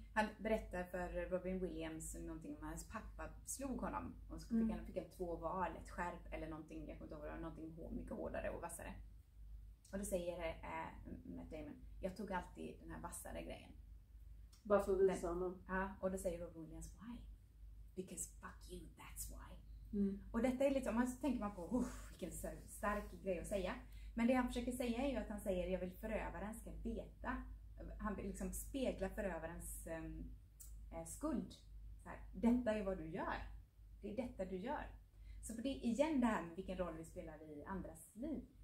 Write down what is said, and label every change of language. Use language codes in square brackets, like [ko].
[sv] Han berättar för Robin Williams någonting om hans pappa slog honom. Och så fick han två val, ett skärp eller någonting, jag kommer inte ihåg, någonting mycket hårdare och vassare. Och då säger Matt Damon, jag tog alltid den här vassare grejen. Bara för att visa honom. Ja, och då säger Robin Williams, why? [en] Because fuck you, that's why. Mm. [sv] Och detta är lite, om man tänker man på, vilken stark grej att säga. Men det han försöker säga är ju att han säger, jag vill förövaren ska veta han liksom speglar förövarens skuld. Så här, detta är vad du gör. Det är detta du gör. Så för det är igen det här med vilken roll vi spelar i andras liv.